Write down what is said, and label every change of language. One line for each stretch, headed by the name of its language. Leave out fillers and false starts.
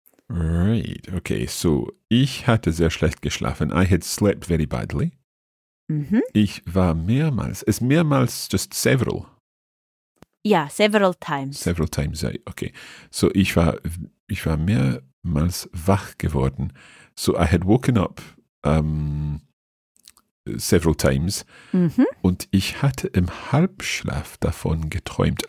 English: Right, okay, so
German: ich hatte sehr schlecht geschlafen.
English: I had slept very badly. Mm-hmm.
German: Ich war mehrmals.
English: Is mehrmals just several? Yeah, several times. Several times, okay.
German: So ich war mehrmals wach geworden.
English: So I had woken up several times. Mm-hmm.
German: Und ich hatte im Halbschlaf davon geträumt.